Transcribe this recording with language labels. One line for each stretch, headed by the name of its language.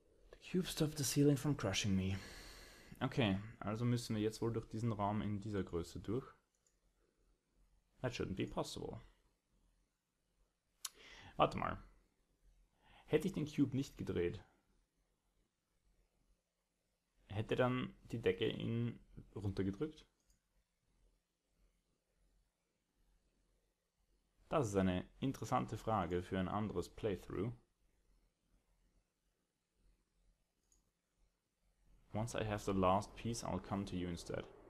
English: The cube stopped the ceiling from crushing me.
German: Okay, also müssen wir jetzt wohl durch diesen Raum in dieser Größe durch.
English: That shouldn't be possible.
German: Warte mal. Hätte ich den Cube nicht gedreht, hätte dann die Decke ihn runtergedrückt? Das ist eine interessante Frage für ein anderes Playthrough.
English: Once I have the last piece, I'll come to you instead.